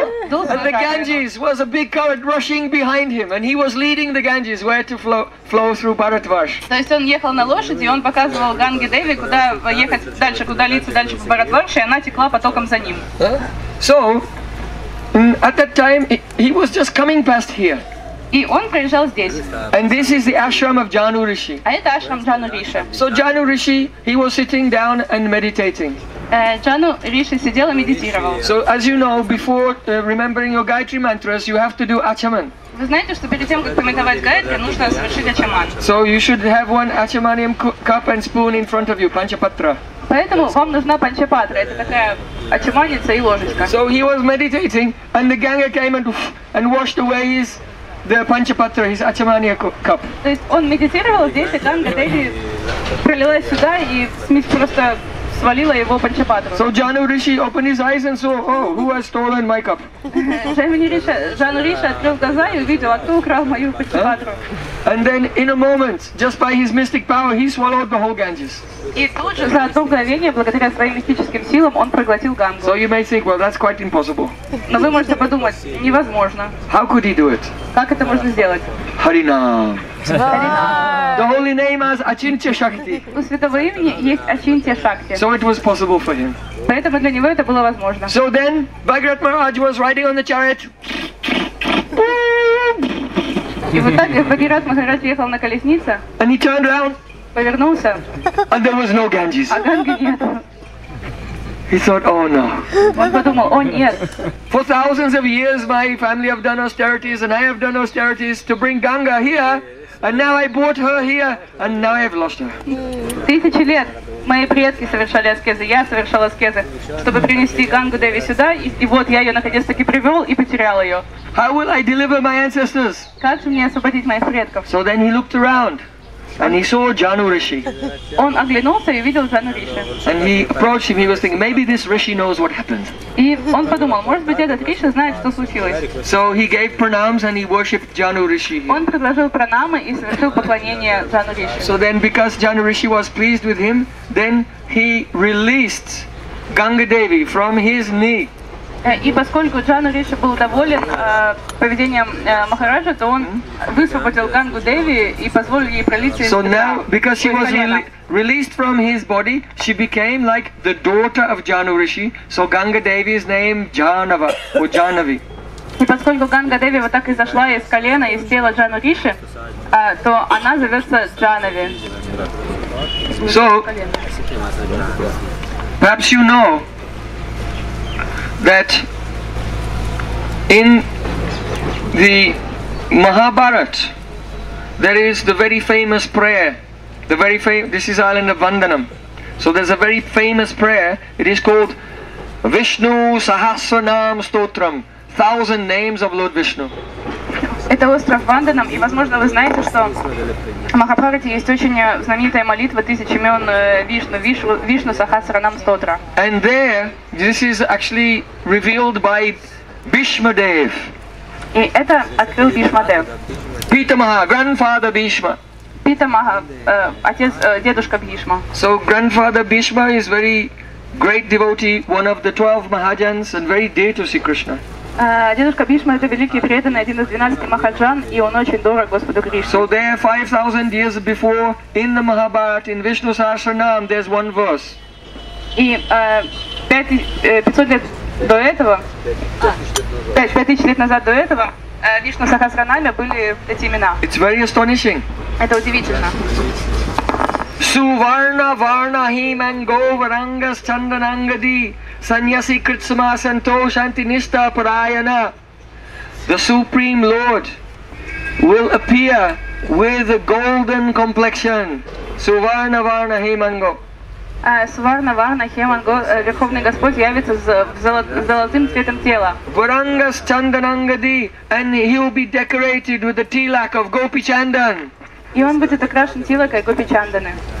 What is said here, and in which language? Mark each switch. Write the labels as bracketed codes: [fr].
[en] And the Ganges was a big current rushing behind him, and he was leading the Ganges where to flow through Bharatvarsh. [ru] То есть он ехал на лошади, и он показывал Ганге Деви, куда ехать дальше, куда литься дальше по Бхаратварше, и она текла потоком за ним. [en] So, at that time, he was just coming past here. [ru] И он проезжал здесь. [en] And this is the ashram of Janu Rishi. [ru] А это ашрам Джану Риши. [en] So Janu Rishi, he was sitting down and meditating. [ru] Джану Риши сидел и медитировал. [en] So as you know, before remembering your Gayatri mantras, you have to do achaman. [ru] Вы знаете, что перед тем, как помитовать Гайатри, нужно совершить ачаман. [en] So you should have one achamanium cup and spoon in front of you, panchapatra. [ru] Поэтому вам нужна панчапатра, это такая ачаманица и ложечка. [en] So he was meditating, and the Ganga came and washed away his the panchapatra, his achamania cup. [ru] То есть он медитировал здесь, и Ганга Деви пролилась сюда и смесь просто свалила его панчапатру. [en] So Janu Rishi opened his eyes and saw, oh, who has stolen my cup? [ru] Janu Rishi открыл глаза и увидел, а кто украл мою панчапатру. [en] And then in a moment, just by his mystic power, he swallowed the whole Ganges. [ru] И тут же за одно мгновение, благодаря своим мистическим силам, он проглотил Гангу. [en] So you may think, well, that's quite impossible. [ru] Но вы можете подумать, невозможно. [en] How could he do it? [ru] Как это можно сделать? [en] Харинам. The holy name is Achintya Shakti. [ru] У святого имени есть Ачинтья Шакти. [en] So it was possible for him. [ru] Поэтому для него это было возможно. [en] So then Bhagirath Maharaj was riding on the chariot. [ru] И вот так Бхагират Махарадж ехал на колеснице. [en] And he turned around. [ru] Повернулся. [en] And there was no Ganges. [ru] А Ганги нет. [en] He thought, oh no. [ru] Он подумал, о нет. [en] For thousands of years my family have done austerities and I have done austerities to bring Ganga here. And now I brought her here, and now I've lost her. [ru] Тысячи лет мои предки совершали аскезы, я совершал аскезы, чтобы принести Гангу Деви сюда, и вот я ее наконец-таки привел и потерял ее. [en] How will I deliver my ancestors? [ru] Как же мне освободить моих предков? [en] So then he looked around, and he saw Janu Rishi. [ru] Он оглянулся и видел Джану Риши. [en] And he approached him. He was thinking, maybe this Rishi knows what happened. [ru] И он подумал, может быть этот Риши знает, что случилось. [en] So he gave pranams and he worshipped Janu Rishi. [ru] Он предложил пранамы и совершил поклонение Джану Риши. [en] So then, because Janu Rishi was pleased with him, then he released Ganga Devi from his knee. [ru] И поскольку Джану Риши был доволен поведением Махараджа, то он высвободил Гангу Деви и позволил ей пролиться. [en] So now, because she was released from his body, she became like the daughter of Janu Rishi. So Ganga Devi's name Janava or Janavi. [ru] И поскольку Ганга Деви вот так изошла из колена из тела Джану Риши, то она зовется Джанави. [en] So perhaps you know that in the Mahabharata there is the very famous prayer, this is island of Vandanam, so there's a very famous prayer, it is called Vishnu Sahasranam Stotram, thousand names of Lord Vishnu. [ru] Это остров Ванданам, и возможно вы знаете, что в Махабхарате есть очень знаменитая молитва «Тысяч имен Вишну», «Вишну Сахасранам Стотра». [en] And there, this is actually revealed by Bhishmadev. [ru] И это открыл Бхишмадев. [en] Питамаха, grandfather Bhishma. [ru] Питамаха, отец, дедушка Бхишма. [en] So grandfather Bhishma is very great devotee, one of the 12 Mahajans and very dear to Sri Krishna. [ru] Дедушка Бишма это великий преданный, один из 12 махаджан, и он очень дорог Господу Кришне. [en] So there, 5,000 years before, in the Mahabharata, in Vishnu Sahasranam, there's one verse. [ru] И 500 лет до этого, 5000 лет назад до этого, Вишну Сахасранаме были эти имена. [en] It's very astonishing. [ru] Это удивительно. [sa] Suvarna Varna Himango Varangas Chandanangadi Sanyasi Kritsama Santoshanti Nishta Parayana. [en] The Supreme Lord will appear with a golden complexion. [sa] Suvarna Varna Himango. Suvarna Varna Himango, [ru] Верховный Господь явится с золотым цветом тела. [sa] Varangas Chandanangadi, [en] and he will be decorated with the tilak of Gopi Chandan. [ru] И он будет украшен тилакой Гопи Чанданы.